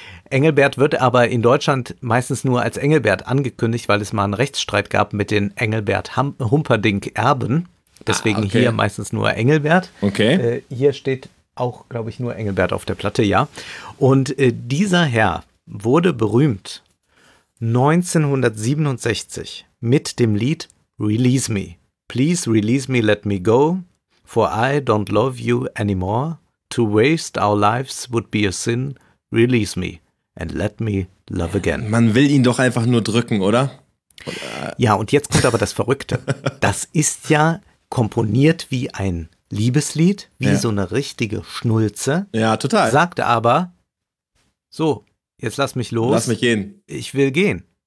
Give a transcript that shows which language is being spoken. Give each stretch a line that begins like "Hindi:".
German: Engelbert wird aber in Deutschland meistens nur als Engelbert angekündigt, weil es mal einen Rechtsstreit gab mit den Engelbert Humperdinck Erben. Deswegen okay. Hier meistens nur Engelbert. Okay. Hier steht auch, glaube ich, nur Engelbert auf der Platte, ja. Und dieser Herr wurde berühmt 1967 mit dem Lied Release Me.
English: Please release me, let me go, for I don't love you anymore. To waste our lives would be a sin. Release me and let me love again.
German: Man will ihn doch einfach nur drücken, oder? Ja, und jetzt kommt aber das Verrückte. Das ist ja komponiert wie ein Liebeslied, wie ja. So eine richtige Schnulze. Ja, total. Sagt aber, so, jetzt lass mich los. Lass mich gehen. Ich will gehen.